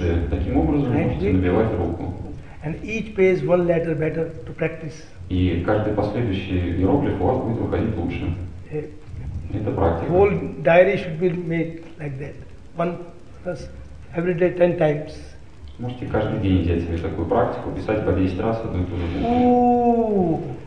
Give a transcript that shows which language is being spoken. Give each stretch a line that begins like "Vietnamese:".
Russian: Таким образом можете набивать руку.
English: And each page one letter better to practice.
Russian: И каждый последующий иероглиф у вас будет выходить лучше. Это практика.
English: Whole diary should be made like that. One plus every day 10 times.
Russian: Можете каждый день взять себе такую практику, писать по 10 раз одну и ту же букву.